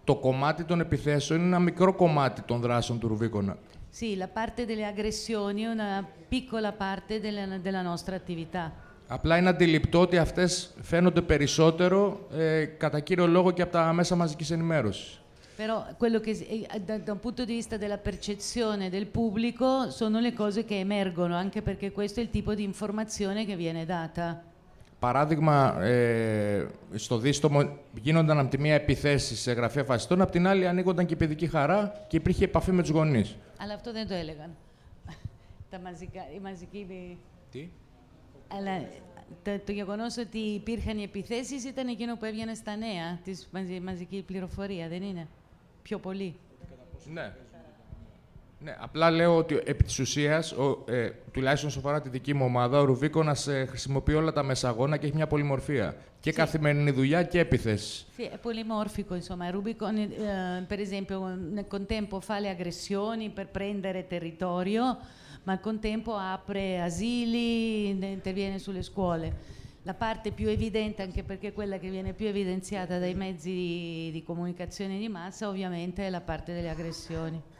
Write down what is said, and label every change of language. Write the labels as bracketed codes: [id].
[el] Το κομμάτι των επιθέσεων είναι ένα μικρό κομμάτι των δράσεων του Ρουβίκονα. [it] Sì, la parte delle aggressioni è una piccola parte della nostra attività. [el] Απλά είναι αντιληπτό ότι αυτές φαίνονται περισσότερο κατά κύριο λόγο και από τα μέσα μαζικής ενημέρωσης. [it] Però quello che dal punto di vista della percezione del pubblico sono le cose che emergono anche perché questo è il tipo di informazione che viene data. [el] Παράδειγμα, στο δίστομο γίνονταν από τη μία επιθέσεις σε γραφεία φασιστών, από την άλλη ανοίγονταν και η παιδική χαρά και υπήρχε επαφή με τους γονείς. Αλλά αυτό δεν το έλεγαν. Τα μαζικά, οι μαζικοί. Τι? Αλλά το γεγονός ότι υπήρχαν οι επιθέσεις ήταν εκείνο που έβγαινε στα νέα, τη μαζική πληροφορία, δεν είναι? Πιο πολύ. Ναι. Ναι, απλά λέω ότι επί της ουσίας, τουλάχιστον όσο αφορά τη δική μου ομάδα, ο Ρουβίκονας χρησιμοποιεί όλα τα μέσα αγώνα και έχει μια πολυμορφία. Και sì. Καθημερινή δουλειά και επιθέσεις. [it] Sì, è polimorfico, insomma. Rubicone, per esempio, nel contempo fa le aggressioni per prendere territorio. Ma al contempo apre asili, interviene sulle scuole. La parte più evidente, anche perché quella che viene più evidenziata dai mezzi di comunicazione di massa, ovviamente è la parte delle aggressioni.